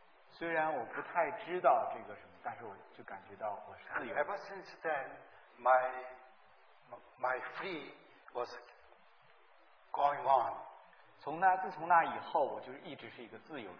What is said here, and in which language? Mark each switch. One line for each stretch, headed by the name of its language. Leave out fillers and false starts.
Chinese: 虽然我不太知道这个什么，但是我就感觉到我是自由。
English: Ever since then, my free was going on.
Chinese: 自从那以后，我就一直是一个自由的。